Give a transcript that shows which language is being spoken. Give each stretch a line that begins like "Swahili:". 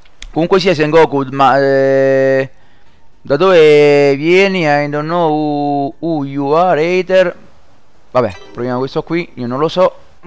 Italian: Comunque sia, Sengoku, ma da dove vieni?
English: I don't know who you are, hater.
Italian: Vabbè, proviamo questo qui, io non lo so.